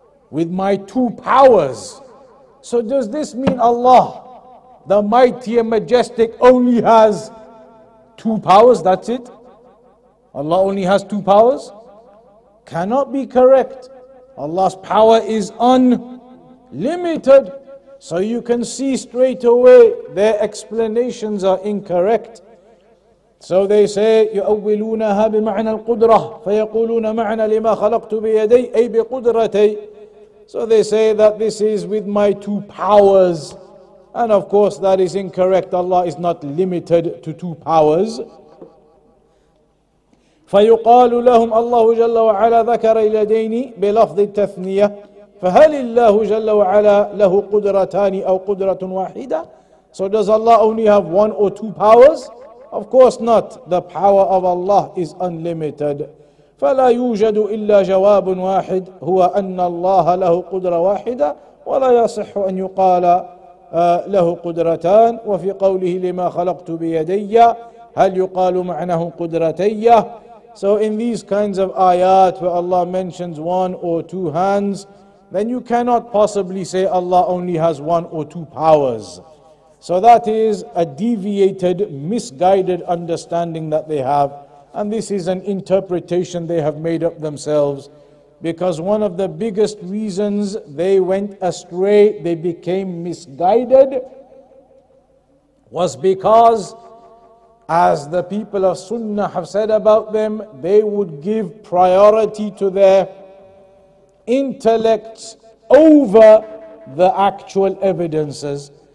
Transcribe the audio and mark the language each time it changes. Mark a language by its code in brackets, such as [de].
[en] With my two powers. So does this mean Allah, the mighty and majestic, only has two powers? That's it? Allah only has two powers? Cannot be correct. Allah's power is unlimited. So you can see straight away their explanations are incorrect. So they say, [ar] يؤولونها بمعنى القدرة فيقولون معنى لما خلقت بيدي أي بقدرتي. [en] So they say that this is with my two powers. And of course that is incorrect. Allah is not limited to two powers. [ar] فيقال لهم الله جل وعلا ذكر اليدين بلفظ التثنية فهل الله جل وعلا له قدرتان أو قدرة واحدة. [en] So does Allah only have one or two powers? Of course not. The power of Allah is unlimited. [ar] فلا يوجد إلا جواب واحد هو أن الله له قدرة واحدة ولا يصح أن يقال له قدرتان وفي قوله لما خلقت بيدي هل يقال معناه قدرتي. [en] So in these kinds of ayat where Allah mentions one or two hands, then you cannot possibly say Allah only has one or two powers. So that is a deviated, misguided understanding that they have. And this is an interpretation they have made up themselves, because one of the biggest reasons they went astray, they became misguided, was because, as the people of Sunnah have said about them, they would give priority to their intellects over the actual evidences.